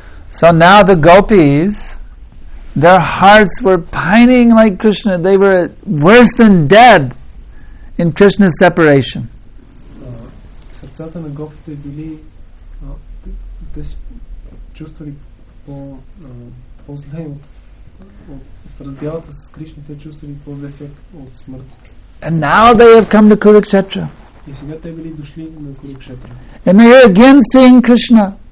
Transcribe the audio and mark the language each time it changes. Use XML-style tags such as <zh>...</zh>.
<en>So now the gopis, their hearts were pining like Krishna. They were worse than dead in Krishna's separation.</en> <bg>Сърцата на гопите били чувствали по-зле в разделата с Кришна, те чувствали по-зле от смърт.</bg> <en>And now they have come to Kurukshetra.</en> <bg>И сега те били дошли на Kurukshetra.</bg> <en>And they are again seeing Krishna.</en>